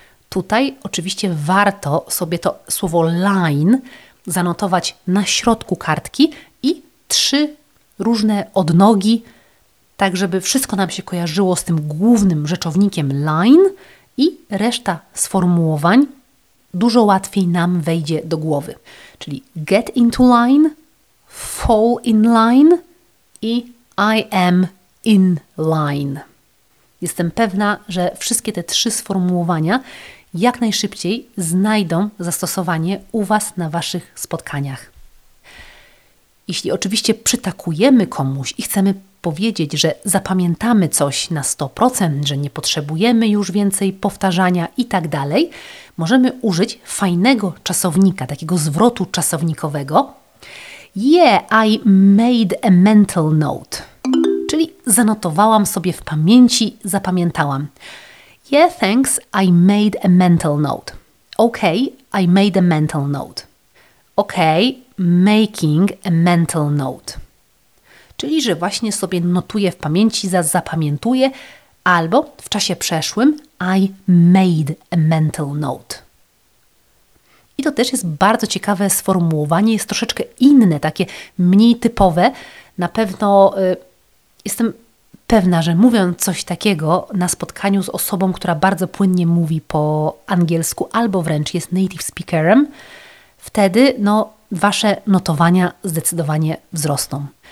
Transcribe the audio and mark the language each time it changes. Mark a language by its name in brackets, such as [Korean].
[Polish] Tutaj oczywiście warto sobie to słowo line zanotować na środku kartki i trzy różne odnogi, tak żeby wszystko nam się kojarzyło z tym głównym rzeczownikiem line i reszta sformułowań dużo łatwiej nam wejdzie do głowy. Czyli [English] get into line, fall in line i I am in line. [Polish] Jestem pewna, że wszystkie te trzy sformułowania jak najszybciej znajdą zastosowanie u Was na Waszych spotkaniach. Jeśli oczywiście przytakujemy komuś i chcemy powiedzieć, że zapamiętamy coś na 100%, że nie potrzebujemy już więcej powtarzania i tak dalej, możemy użyć fajnego czasownika, takiego zwrotu czasownikowego. [English] Yeah, I made a mental note. [Polish] Czyli zanotowałam sobie w pamięci, zapamiętałam. [English] Yeah, thanks, I made a mental note. Okay, I made a mental note. Okay, making a mental note. [Polish] czyli że właśnie sobie notuję w pamięci, zapamiętuję, albo w czasie przeszłym [English] I made a mental note. [Polish] I to też jest bardzo ciekawe sformułowanie, jest troszeczkę inne, takie mniej typowe. Na pewno jestem pewna, że mówiąc coś takiego na spotkaniu z osobą, która bardzo płynnie mówi po angielsku albo wręcz jest native speakerem, wtedy no, Wasze notowania zdecydowanie wzrosną.